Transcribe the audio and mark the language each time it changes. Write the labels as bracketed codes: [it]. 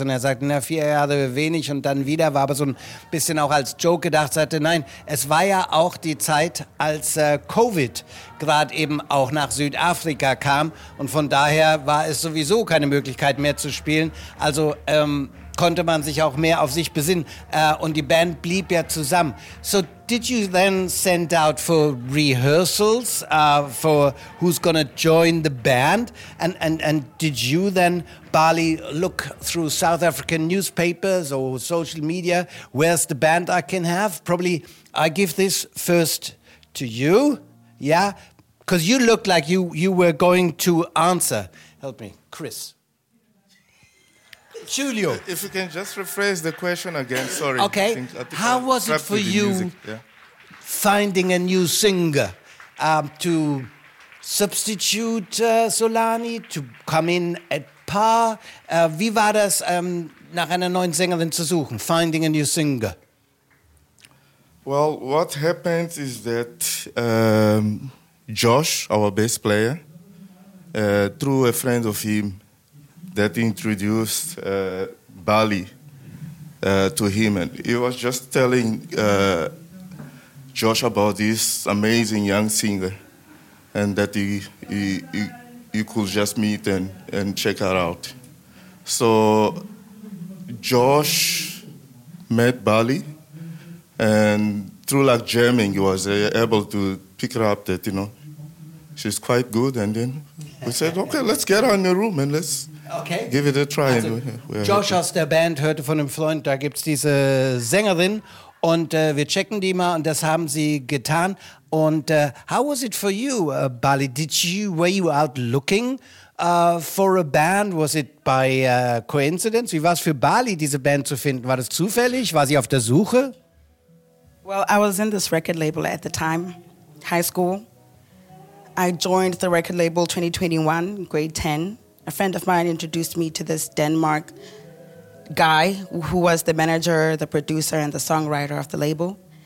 [de] Und er sagte, na, 4 Jahre wenig und dann wieder. War aber so ein bisschen auch als Joke gedacht. Sagte, nein, es war ja auch die Zeit, als COVID gerade eben auch nach Südafrika kam. Und von daher war es sowieso keine Möglichkeit mehr zu spielen. Also konnte man sich auch mehr auf sich besinnen. Und die Band blieb ja zusammen. [en] So did you then send out for rehearsals for who's gonna join the band? And did you then, Bali, look through South African newspapers or social media? Where's the band I can have? Probably I give this first to you. Yeah, because you looked like you were going to answer. Help me, Chris. Julio. If you can just rephrase the question again, sorry. Okay, I think how was it for you finding a new singer to substitute Solani, to come in at par? [de] Wie war das, nach einer neuen Sängerin zu suchen, [en] finding a new singer? Well, what happened is that Josh, our bass player, through a friend of him that introduced Bali to him. And he was just telling Josh about this amazing young singer and that he could just meet and check her out. So Josh met Bali and through like jamming, he was able to pick her up that, you know, she's quite good. And then we said, okay, let's get her in the room and let's give it a try. [de] Also, Josh aus der Band hörte von einem Freund, da gibt's diese Sängerin und wir checken die mal und das haben sie getan. [en] Und how was it for you, Bali? Were you out looking for a band? Was it by coincidence? [de] Wie war es für Bali, diese Band zu finden? War das zufällig? War sie auf der Suche? [en] Well, I was in this record label at the time, high school. I joined the record label 2021, grade 10. A friend of mine introduced me to this Denmark guy who was the manager, the producer, and the songwriter of the label.